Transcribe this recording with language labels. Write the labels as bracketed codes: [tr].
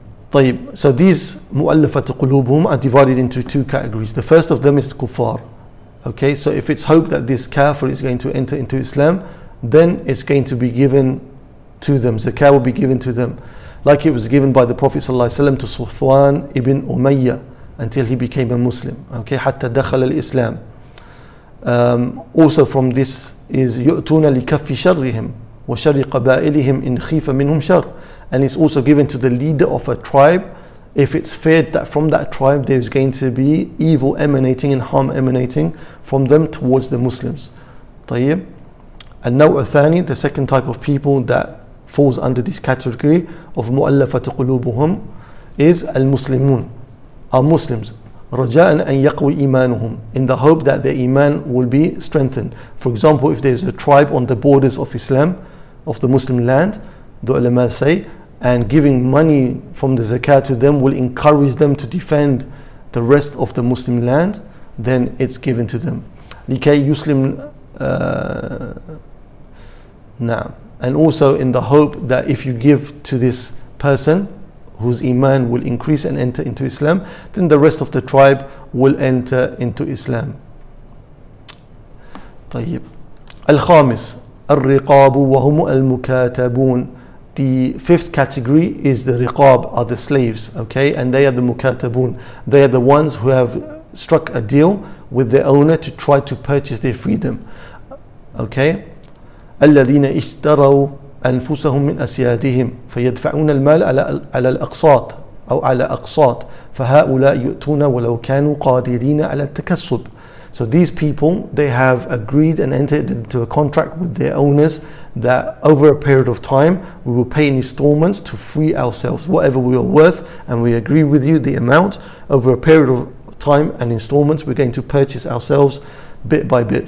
[en] طيب, so these [ar] مؤلفة قلوبهم [en] are divided into two categories. The first of them is the kuffar, Okay, so if it's hope that this kafir is going to enter into Islam, then it's going to be given to them. Zakah will be given to them. Like it was given by the Prophet ﷺ to Sufwan ibn Umayyah until he became a Muslim. [ar] Okay, حتى دخل الإسلام. [en] Also from this is [ar] يُؤْتُونَ لِكَفِّ شَرِّهِمْ وَشَرِّ قَبَائِلِهِمْ إِنْ خِيفَ مِنْهُمْ شَرٍ. [en] And it's also given to the leader of a tribe if it's feared that from that tribe there is going to be evil emanating and harm emanating from them towards the Muslims. [ar] طيب. [en] And now الثاني, the second type of people that falls under this category of [ar] مُؤَلَّفَةَ قُلُوبُهُمْ [en] is [ar] المسلمون, [en] are Muslims. [ar] رَجَاءً أَنْ يَقْوِ إِيمَانُهُمْ, [en] in the hope that their iman will be strengthened. For example, if there's a tribe on the borders of Islam, of the Muslim land, the ulama say, and giving money from the zakah to them will encourage them to defend the rest of the Muslim land, then it's given to them. [ar] لِكَيْ يُسْلِمْ نَعْمْ. [en] And also in the hope that if you give to this person whose iman will increase and enter into Islam, then the rest of the tribe will enter into Islam. [ar] طيب. الخامس الرقاب وهم المكاتبون. [en] The fifth category is the riqab, are the slaves, okay? And they are the mukatabun. They are the ones who have struck a deal with their owner to try to purchase their freedom, okay? [ar] الذين اشتروا أنفسهم من أسيادهم فيدفعون المال على الأقساط أو على أقساط فهؤلاء يؤتون ولو كانوا قادرين على التكسب. [en] So these people, they have agreed and entered into a contract with their owners that over a period of time we will pay in installments to free ourselves whatever we are worth, and we agree with you the amount over a period of time and installments we're going to purchase ourselves bit by bit.